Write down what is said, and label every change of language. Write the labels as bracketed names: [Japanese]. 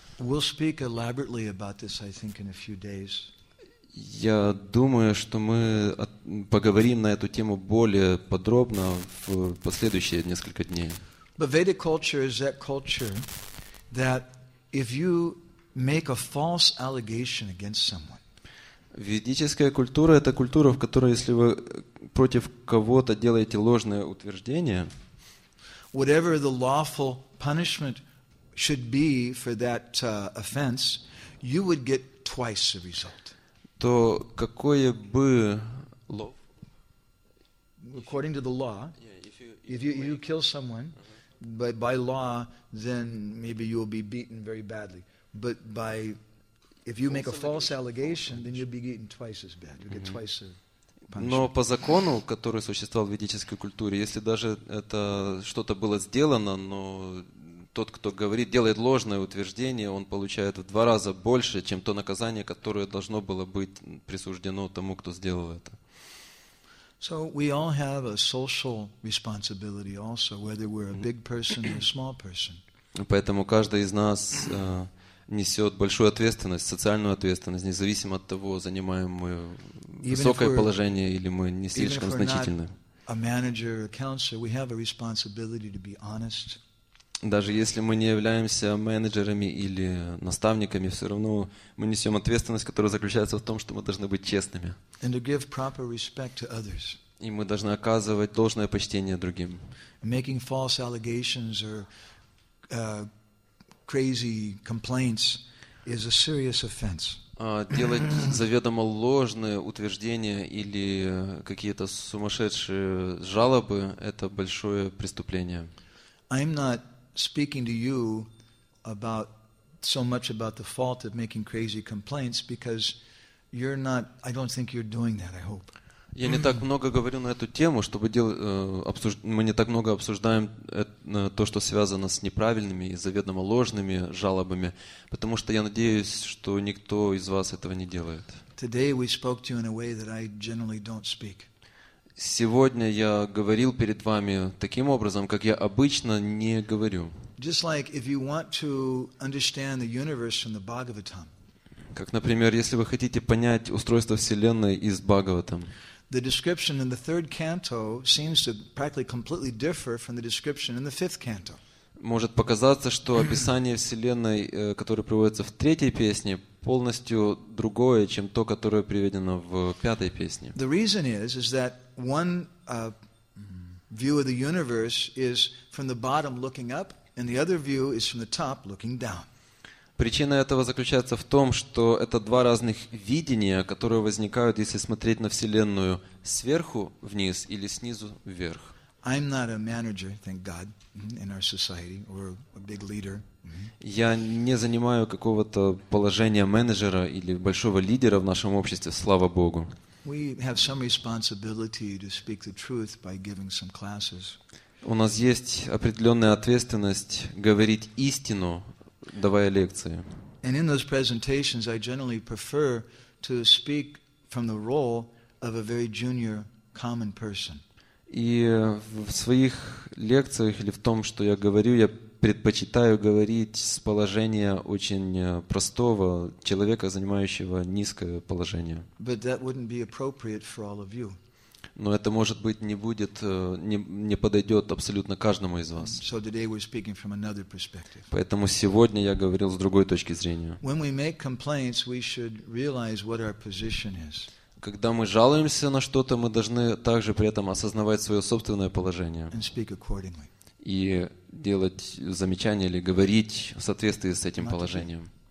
[English] We'll speak elaborately about this, I think, in a few days. [Russian] Я думаю, что мы поговорим на эту тему более подробно в последующие несколько дней. [English] But Vedic culture is that culture that if you make a false allegation against someone. [Russian] Ведическая культура — это культура, в которой, если вы против кого-то делаете ложное утверждение, [English] whatever the lawful punishment should be for that offense, you would get twice the result. [Russian] То какое бы [English] law? According to the law, if you kill someone, uh-huh. by law, then maybe you will be beaten very badly. But by if you false make a false allegation, then you'll be beaten twice as bad. You'll get twice the punishment. [Russian] Но по закону, который существовал в ведической культуре, если даже это что-то было сделано, но тот, кто говорит, делает ложное утверждение, он получает в два раза больше, чем то наказание, которое должно было быть присуждено тому, кто сделал это. [English] So we all have a social responsibility also, whether we're a big person or a small person. [Russian] Поэтому каждый из нас несет большую ответственность, социальную ответственность, независимо от того, занимаем мы высокое положение или мы не слишком значительны. [English] Even if we're not a manager or a counselor, we have a responsibility to be honest. [Russian] Даже если мы не являемся менеджерами или наставниками, все равно мы несем ответственность, которая заключается в том, что мы должны быть честными. [English] And to give proper respect to others. [Russian] И мы должны оказывать должное почтение другим. [English] Making false allegations or crazy complaints is a serious offense. [Russian] Делать заведомо ложные утверждения или какие-то сумасшедшие жалобы — это большое преступление. [English] I'm not speaking to you about so much about the fault of making crazy complaints because you're not, I don't think you're doing that, I hope. [Russian] Я не так много говорю на эту тему, чтобы мы не так много обсуждаем то, что связано с неправильными и заведомо ложными жалобами, потому что я надеюсь, что никто из вас этого не делает. [English] Today we spoke to you in a way that I generally don't speak. [Russian] Сегодня я говорил перед вами таким образом, как я обычно не говорю. [English] Just like if you want to understand the universe from the Bhagavatam. [Russian] Как, например, если вы хотите понять устройство Вселенной из Бхагаватам. [English] The description in the third canto seems to practically completely differ from the description in the fifth canto. [Russian] Может показаться, что описание Вселенной, которое приводится в третьей песне, полностью другое, чем то, которое приведено в пятой песне. [English] The reason is that one view of the universe is from the bottom looking up, and the other view is from the top looking down. [Russian] Причина этого заключается в том, что это два разных видения, которые возникают, если смотреть на Вселенную сверху вниз или снизу вверх. [English] I'm not a manager, thank God, in our society, or a big leader. [Russian] Я не занимаю какого-то положения менеджера или большого лидера в нашем обществе, слава Богу. [English] We have some responsibility to speak the truth by giving some classes. [Russian] У нас есть определенная ответственность говорить истину, давая лекции. [English] And in those presentations, I generally prefer to speak from the role of a very junior, common person. [Russian] И в своих лекциях или в том, что я говорю, я предпочитаю говорить с положения очень простого человека, занимающего низкое положение. [English] But that wouldn't be appropriate for all of you. [Russian] Но это, может быть, не будет, не подойдет абсолютно каждому из вас. [English] So today we're speaking from another perspective. [Russian] Поэтому сегодня я говорил с другой точки зрения. [English] When we make complaints, we should realize what our position is. [Russian] Когда мы жалуемся на что-то, мы должны также при этом осознавать свое собственное положение и делать замечания или говорить в соответствии с этим положением.